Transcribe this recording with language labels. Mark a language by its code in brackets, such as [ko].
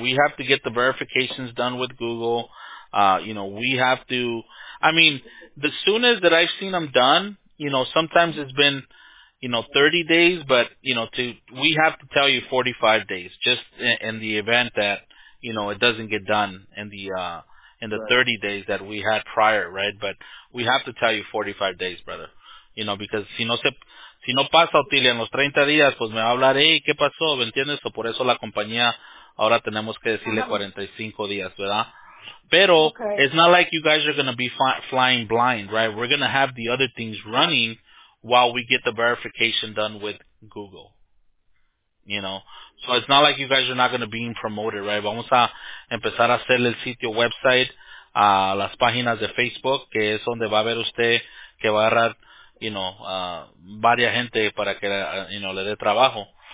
[en] We have to get the verifications done with Google. The soonest that I've seen them done, you know, sometimes it's been, you know, 30 days, but, you know, we have to tell you 45 days just in the event that, you know, it doesn't get done in the right. 30 days that we had prior, right? But we have to tell you 45 days, brother. You know, because [es] si no pasa, Otilia, en los 30 días, pues me va a hablar, hey, ¿qué pasó? ¿Me entiendes? O por eso la compañía ahora tenemos que decirle 45 días, ¿verdad? Pero okay. [en] It's not like you guys are going to be flying blind, right? We're going to have the other things running while we get the verification done with Google, you know. So it's not like you guys are not going to be promoted, right? [es] Vamos a empezar a hacer el sitio website, las páginas de Facebook, que es donde va a ver usted que va a agarrar, [en] you know, [es] varias gente para que, you know, le dé trabajo.